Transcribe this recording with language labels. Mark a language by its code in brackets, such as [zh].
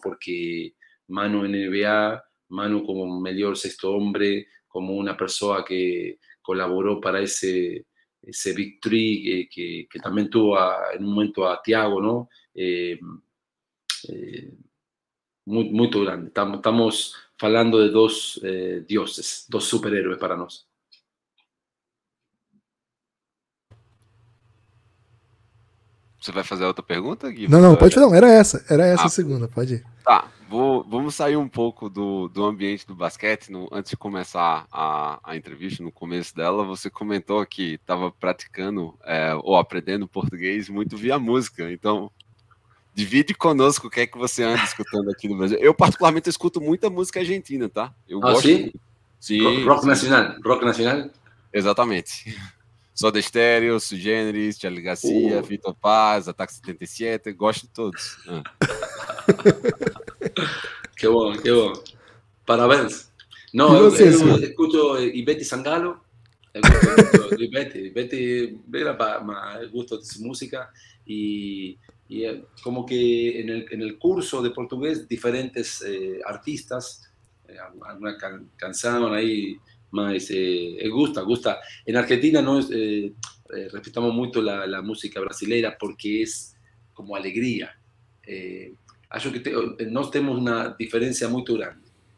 [es] Porque Manu en NBA, Manu como mejor sexto hombre, como una persona que colaboró para ese victory que también tuvo en un momento a Thiago, ¿no? Muy, muy grande. Estamos hablando de dos dioses, dos superhéroes para nosotros. [pt] Você vai fazer outra pergunta, Gui? Não, pode fazer. Era essa a segunda, pode ir. Tá, vamos sair um pouco do ambiente do basquete. Antes de começar a entrevista, no começo dela, você comentou que estava praticando ou aprendendo português muito via música. Então, divide conosco o que é que você anda escutando aqui no Brasil. Eu, particularmente, escuto muita música argentina, tá? Eu gosto. Sim? Muito. Sim. Rock nacional. Rock nacional? Exatamente. Soda Stereo, Su Generis, Charly García, Fito Paz, Ataque 77, gosto de todos. Que bom, que bom. Parabéns. Não, e você, eu escuto Ivete Sangalo, eu gosto Ivete é uma gosto de música, e é como que no curso de português, diferentes artistas, alguma canção aí... [es] Mas gusta. En Argentina no respetamos mucho la música brasileña porque es como alegría. [pt] Acho que [es] nos tenemos una diferencia muy grande.